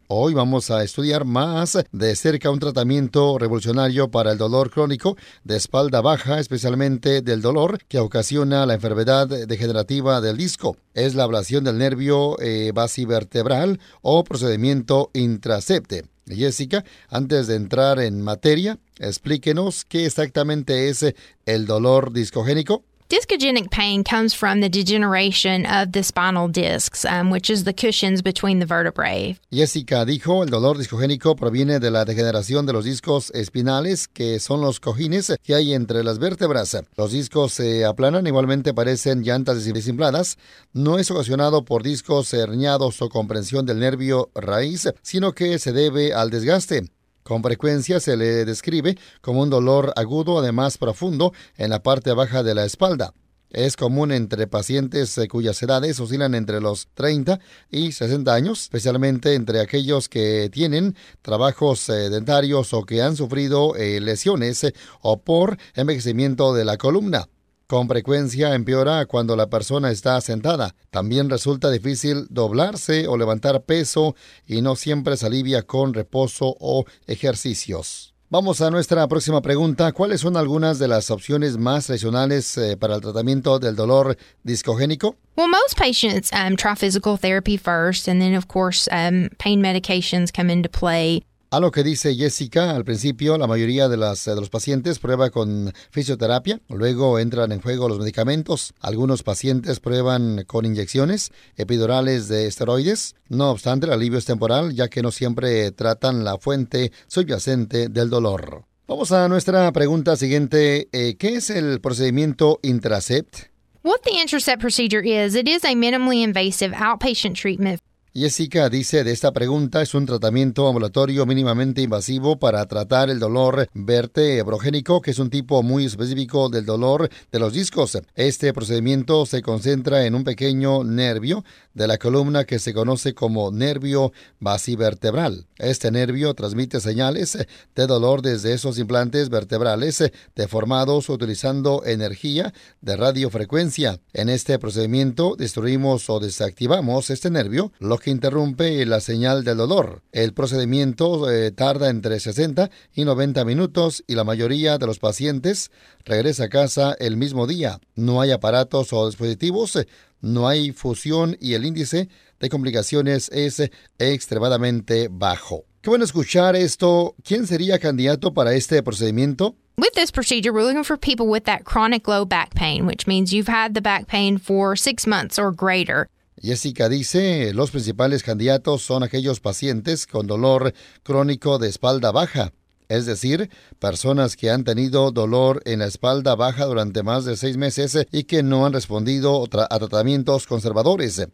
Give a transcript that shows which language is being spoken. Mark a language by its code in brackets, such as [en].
[es] Hoy vamos a estudiar más de cerca un tratamiento revolucionario para el dolor crónico de espalda baja, especialmente del dolor que ocasiona la enfermedad degenerativa del disco. Es la ablación del nervio basivertebral o procedimiento intracepte. Jessica, antes de entrar en materia, explíquenos qué exactamente es el dolor discogénico. [en] Discogenic pain comes from the degeneration of the spinal discs, which is the cushions between the vertebrae. [es] Jessica dijo, el dolor discogénico proviene de la degeneración de los discos espinales, que son los cojines que hay entre las vértebras. Los discos se aplanan, igualmente parecen llantas desinfladas. No es ocasionado por discos herniados o compresión del nervio raíz, sino que se debe al desgaste. Con frecuencia se le describe como un dolor agudo, además profundo, en la parte baja de la espalda. Es común entre pacientes cuyas edades oscilan entre los 30 y 60 años, especialmente entre aquellos que tienen trabajos sedentarios o que han sufrido lesiones o por envejecimiento de la columna. Con frecuencia empeora cuando la persona está sentada. También resulta difícil doblarse o levantar peso y no siempre se alivia con reposo o ejercicios. Vamos a nuestra próxima pregunta. ¿Cuáles son algunas de las opciones más tradicionales para el tratamiento del dolor discogénico? [en] Well, most patients try physical therapy first, and then of course pain medications come into play. [es] A lo que dice Jessica, al principio la mayoría de los pacientes prueba con fisioterapia, luego entran en juego los medicamentos. Algunos pacientes prueban con inyecciones epidurales de esteroides. No obstante, el alivio es temporal, ya que no siempre tratan la fuente subyacente del dolor. Vamos a nuestra pregunta siguiente. ¿Qué es el procedimiento Intracept? [en] What the Intracept procedure is, it is a minimally invasive outpatient treatment. [es] Jessica dice de esta pregunta, es un tratamiento ambulatorio mínimamente invasivo para tratar el dolor vertebrogénico, que es un tipo muy específico del dolor de los discos. Este procedimiento se concentra en un pequeño nervio de la columna que se conoce como nervio basivertebral. Este nervio transmite señales de dolor desde esos implantes vertebrales deformados utilizando energía de radiofrecuencia. En este procedimiento destruimos o desactivamos este nervio, lo que interrumpe la señal del dolor. El procedimiento tarda entre 60 y 90 minutos y la mayoría de los pacientes regresa a casa el mismo día. No hay aparatos o dispositivos, no hay fusión y el índice de complicaciones es extremadamente bajo. Qué bueno escuchar esto. ¿Quién sería candidato para este procedimiento? [en] With this procedure, we're looking for people with that chronic low back pain, which means you've had the back pain for 6 months or greater. [es] Jessica dice, los principales candidatos son aquellos pacientes con dolor crónico de espalda baja, es decir, personas que han tenido dolor en la espalda baja durante más de 6 meses y que no han respondido a tratamientos conservadores.